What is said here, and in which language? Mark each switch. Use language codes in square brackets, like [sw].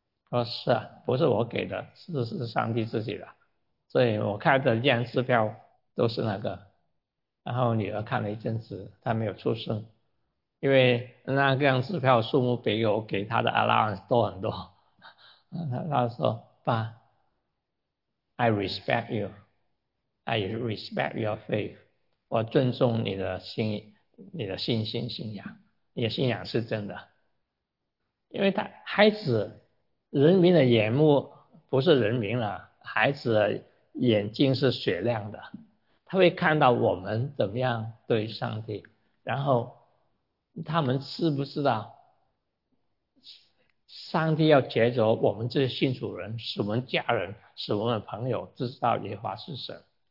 [zh] 我说是啊，不是我给的，是上帝自己的。所以我开的一张支票都是那个。然后女儿看了一阵子，她没有出声，因为那张支票数目比我给她的 allowance 多很多。她说：“爸， [en] I respect you。 ” I respect your faith， [zh] 我尊重你的信，你的信心信仰，你的信仰是真的。因为他孩子，人民的眼目不是人民了，孩子的眼睛是雪亮的，他会看到我们怎么样对上帝，然后他们知不知道，上帝要抉择我们这些信主人，使我们家人，使我们的朋友知道耶和华是神。